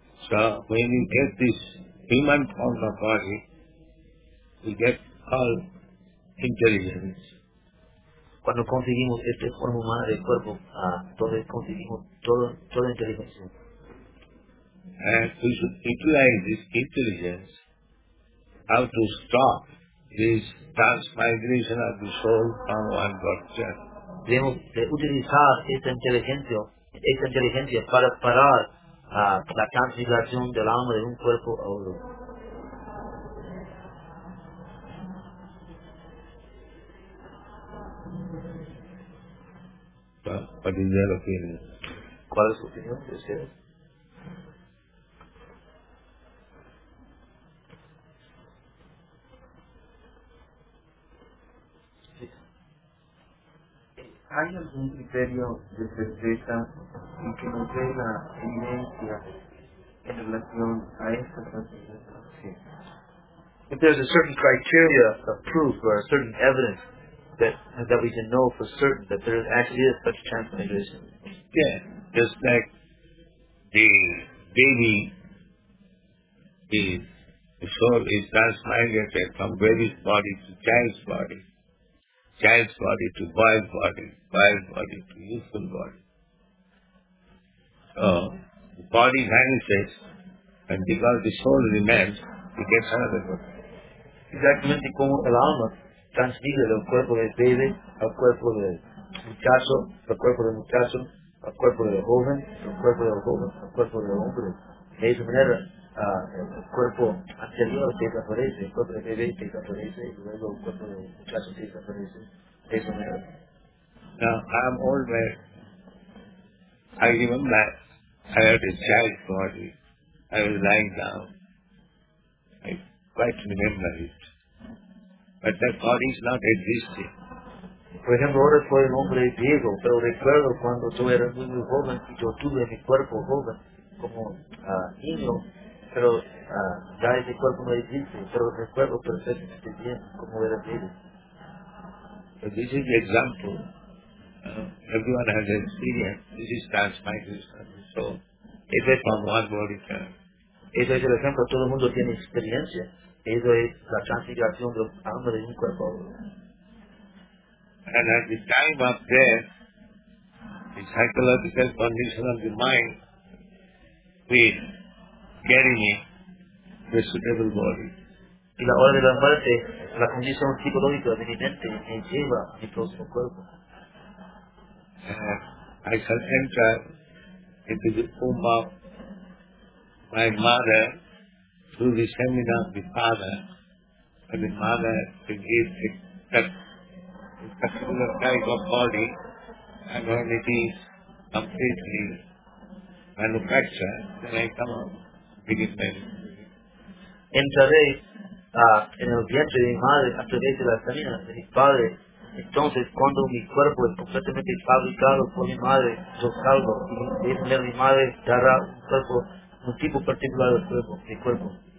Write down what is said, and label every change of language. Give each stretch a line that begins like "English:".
English: So when you get this human form of body, you get all intelligence.
Spanish: Cuando conseguimos esta forma humana de cuerpo, conseguimos toda inteligencia.
English: And we should utilize this intelligence how to stop this transmigration of the soul from one body to another.
Spanish: Debemos de utilizar esta inteligencia para parar la transmigración del alma de un cuerpo a otro.
English: What is your opinion?
Spanish: ¿Cuál es su opinión de ustedes? ¿Hay algún criterio de certeza en que nos dé la evidencia en relación a esta transmigración?
English: If there's a certain criteria of proof or a certain evidence that we can know for certain that there actually is such transmigration. Yeah, just like the baby is, the soul is transmigrated from baby's body to child's body to boy's body to youthful body. So, the body vanishes, and because the soul remains, it gets another body. Exactly
Spanish: como el alma transmite del cuerpo de bebé al cuerpo de muchacho, al cuerpo de muchacho, al cuerpo de joven, al cuerpo de joven, al cuerpo de hombre. De esa manera, el cuerpo anterior se desaparece, el cuerpo de bebé se desaparece, y luego el cuerpo de muchacho se desaparece. De esa manera.
English: Now, I am old man. I remember that I had a child's body. I was lying down. I quite remember it. But that body is not existing.
Spanish: Por ejemplo, ahora soy un hombre viejo, pero recuerdo cuando yo era muy joven y yo tuve mi cuerpo joven como niño, pero ya ese cuerpo no existe, pero recuerdo perfectamente bien como era viejo.
English: So this is the example. Everyone has experience. This is transmigration. So, if it's from one body,
Spanish: eso es el ejemplo. Todo el mundo tiene experiencia. Eso es la transmigración del alma de un cuerpo.
English: And at the time of death, the psychological condition of the mind will carry me to a suitable body.
Spanish: Y la hora de la muerte, la condición psicológica de mi mente me lleva a mi próximo cuerpo.
English: I shall enter into the womb of my mother through the seminar of the father, and the mother will give a particular type of body, and when it is completely manufactured, then I come out, begin my
Spanish: entraré en el vientre de mi madre a través de la seminar de mi padre, Entonces, cuando mi cuerpo es completamente fabricado por mi madre, yo salgo y mi madre dará un cuerpo, un tipo particular del cuerpo, mi cuerpo.